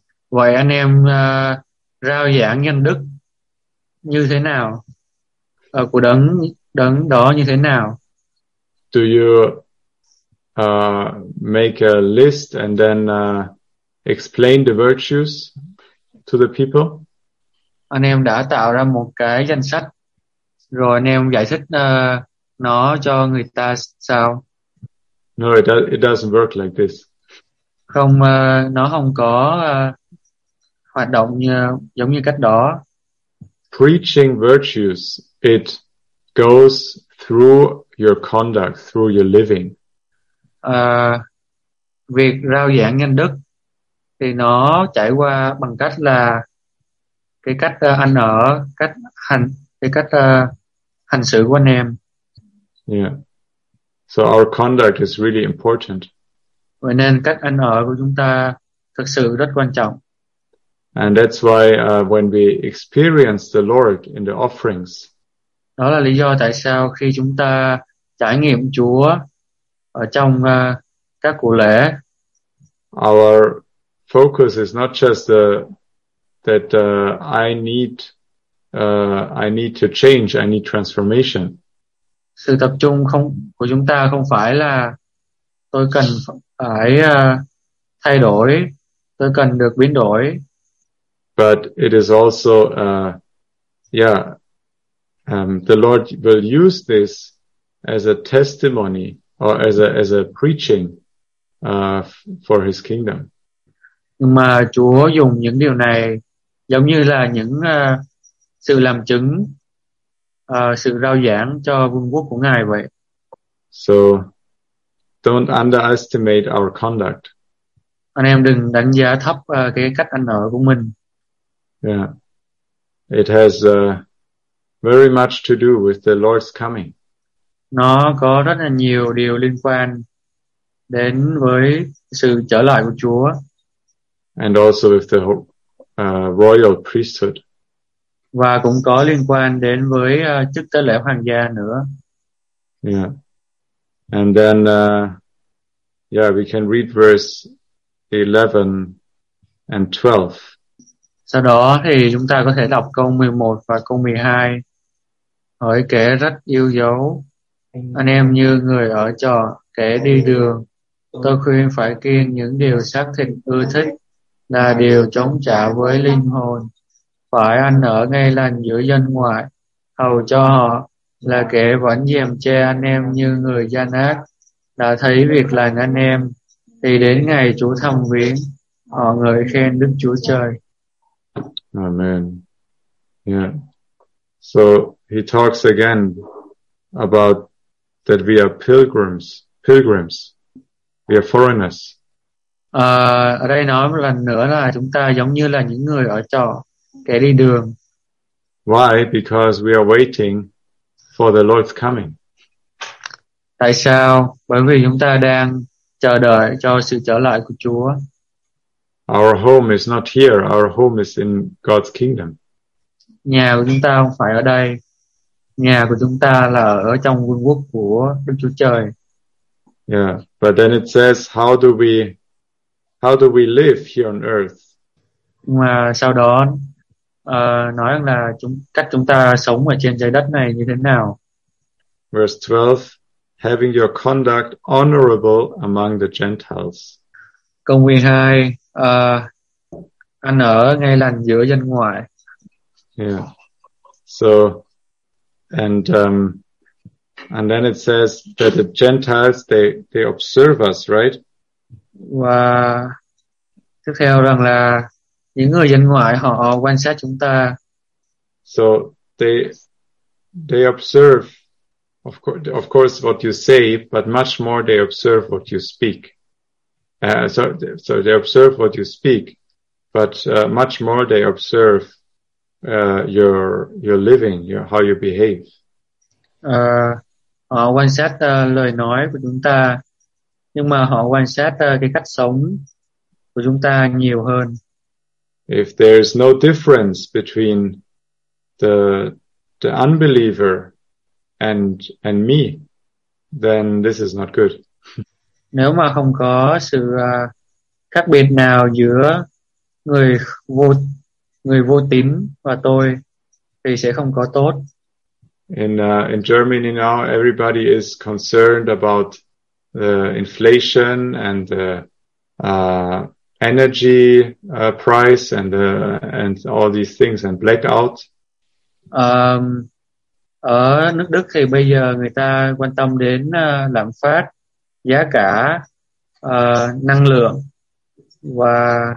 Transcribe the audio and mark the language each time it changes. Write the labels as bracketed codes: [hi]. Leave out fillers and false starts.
[vi] Vậy anh em rao giảng nhân đức như thế nào? Của đấng đấng đó như thế nào? [en] Do you make a list and then explain the virtues to the people? [vi] Anh em đã tạo ra một cái danh sách rồi anh em giải thích nó cho người ta sao? [en] No, it doesn't work like this. [vi] Không, nó không có hoạt động như, giống như cách đó. [en] Preaching virtues, it goes through your conduct, through your living. [vi] Việc rao giảng nhân đức thì nó chảy qua bằng cách là cái cách ăn ở, cách hành, cái cách hành xử của anh em. [en] Yeah. So our conduct is really important. [vi] Vậy nên cách ăn ở của chúng ta thực sự rất quan trọng. [en] And that's why when we experience the Lord in the offerings. [vi] Đó là lý do tại sao khi chúng ta trải nghiệm Chúa ở trong các cụ lễ. [en] Our focus is not just that I need to change, I need transformation. [vi] Sự tập trung không của chúng ta không phải là tôi cần phải thay đổi, tôi cần được biến đổi. [en] But it is also the Lord will use this as a testimony or as a preaching for His kingdom. [vi] Nhưng mà Chúa dùng những điều này giống như là những sự làm chứng, sự rao giảng cho vương quốc của Ngài vậy. [en] So don't underestimate our conduct. [vi] Anh em đừng đánh giá thấp cái cách ăn ở của mình. [en] Yeah. It has very much to do with the Lord's coming. [vi] Nó có rất là nhiều điều liên quan đến với sự trở lại của Chúa. [en] And also with the royal priesthood. [vi] Và cũng có liên quan đến với chức tế lễ hoàng gia nữa. [en] Yeah. And then we can read verse 11 and 12. [vi] Sau đó thì chúng ta có thể đọc câu 11 và câu 12. Hỡi kẻ rất yêu dấu, anh em như người ở trọ, kẻ đi đường, tôi khuyên phải kiêng những điều xác thịt ưa thích là điều chống trả với linh hồn. Phải ăn ở ngay lành giữa dân ngoại, hầu cho họ là kẻ vẫn dèm che anh em như người gian ác, đã thấy việc lành anh em, Thì đến ngày Chúa thăm viếng, họ ngợi khen Đức Chúa Trời. [en] Amen. Yeah. So he talks again about that we are pilgrims. We are foreigners. [vi] Ở đây nói một lần nữa là chúng ta giống như là những người ở trọ, kẻ đi đường. [en] Why? Because we are waiting for the Lord's coming. [vi] Tại sao? Bởi vì chúng ta đang chờ đợi cho sự trở lại của Chúa. [en] Our home is not here. Our home is in God's kingdom. [vi] Nhà của chúng ta không phải ở đây. Nhà của chúng ta là ở trong vương quốc của Đức Chúa Trời. [en] Yeah, but then it says, how do we live here on earth? [vi] Mà sau đó nói rằng là cách chúng ta sống ở trên trái đất này như thế nào? [en] Verse 12, having your conduct honorable among the Gentiles. [vi] Câu 12, anh ở ngay lành giữa dân ngoại. [en] Yeah. So, and then it says that the Gentiles they observe us, right? [vi] Và tiếp theo rằng là những người dân ngoại họ quan sát chúng ta. [en] So they observe, of course, what you say, but much more they observe what you speak. So they observe what you speak, but much more they observe your living, how you behave. [vi] Họ quan sát lời nói của chúng ta, nhưng mà họ quan sát cái cách sống của chúng ta nhiều hơn. [en] If there is no difference between the unbeliever and me, then this is not good. [vi] Nếu mà không có sự khác biệt nào giữa người vô tín và tôi thì sẽ không có tốt. [en] In Germany now everybody is concerned about the inflation and the energy price and all these things and blackout. [vi] Ở nước Đức thì bây giờ người ta quan tâm đến lạm phát, giá cả, năng lượng và